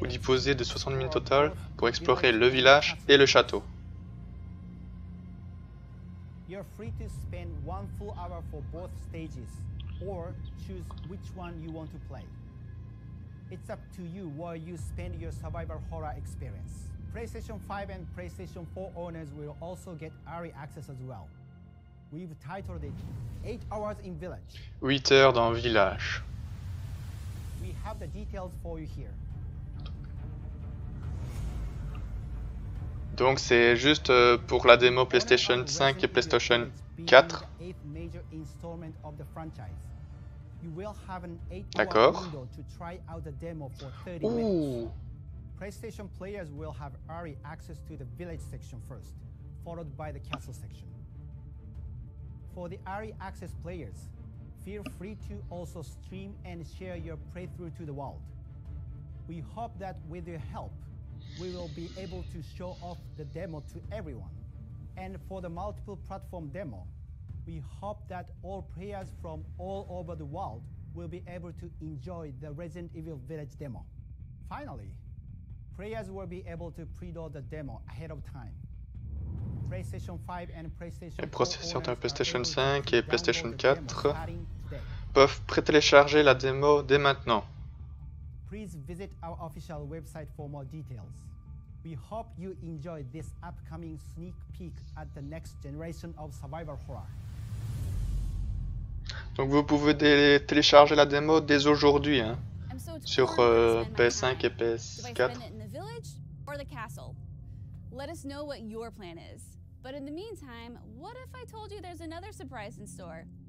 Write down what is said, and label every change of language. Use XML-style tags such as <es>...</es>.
<fr>Vous disposez de 60 minutes total pour explorer le village et le château.</fr> <en>You're free to spend one full hour for both stages, or choose which one you want to play. It's up to you where you spend your survival horror experience. PlayStation 5 and PlayStation 4 owners will also get early access as well. We've titled it 8 hours in village.</en> <fr>8 heures dans village.</fr> <en>We have the details for you here.</en> <fr>Donc c'est juste pour la démo PlayStation 5 et PlayStation 4.</fr> <en>The 8th major installment of the franchise. You will have an 8-hour window to try out the demo for 30 minutes. PlayStation players will have early access to the village section first, followed by the castle section. For the early access players, feel free to also stream and share your playthrough to the world. We hope that with your help, we will be able to show off the demo to everyone. And for the multiple platform demo, we hope that all players from all over the world will be able to enjoy the Resident Evil Village demo. Finally, players will be able to pre-order the demo ahead of time. PlayStation 5 and PlayStation 4</en> <fr>owners PlayStation 5 et PlayStation 4 peuvent pré-télécharger la démo dès maintenant.</fr> <en>Please visit our official website for more details. We hope you enjoy this upcoming sneak peek at the next generation of survival horror.</en> <fr>Donc vous pouvez télécharger la démo dès aujourd'hui, hein, sur PS5 et PS4.</fr> <en>In the village or the castle? Let us know what your plan is. But in the meantime, what if I told you there's another surprise in store?</en>